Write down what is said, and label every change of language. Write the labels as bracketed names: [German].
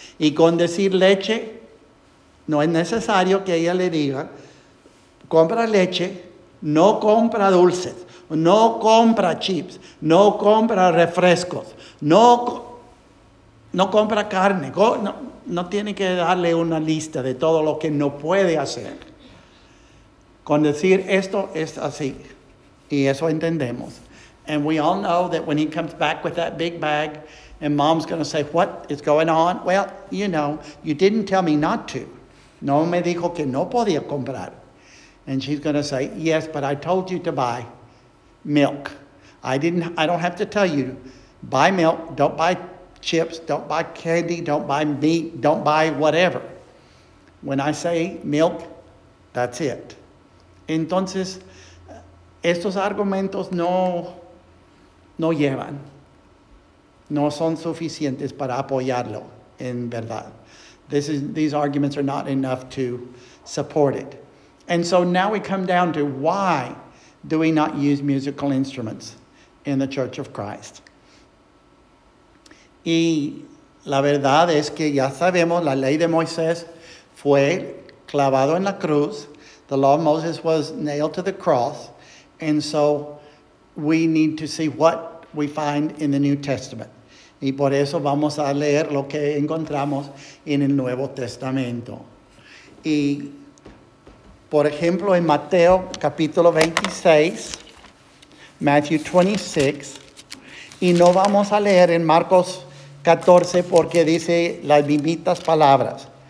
[Spanish] Y con decir leche, no es necesario que ella le diga, compra leche, no compra dulces, no compra chips, no compra refrescos, no compra carne. No tiene que darle una lista de todo lo que no puede hacer. Con decir esto es así, y eso entendemos. [English] And we all know that when he comes back with that big bag and mom's going to say, what is going on? Well, you know, you didn't tell me not to. [Spanish] No me dijo que no podía comprar. [English] And she's going to say, yes, but I told you to buy milk. I don't have to tell you, buy milk, don't buy chips, don't buy candy, don't buy meat, don't buy whatever. When I say milk, that's it. [Spanish] Entonces, estos argumentos no llevan, no son suficientes para apoyarlo, en verdad. [English] These arguments are not enough to support it. And so now we come down to why do we not use musical instruments in the Church of Christ? [Spanish] Y la verdad es que ya sabemos, la ley de Moisés fue clavado en la cruz. [English] The law of Moses was nailed to the cross. And so we need to see what we find in the New Testament. [Spanish] Y por eso vamos a leer lo que encontramos en el Nuevo Testamento. Y, por ejemplo, en Mateo capítulo 26, Matthew 26, y no vamos a leer en Marcos 14 porque dice las mismitas palabras.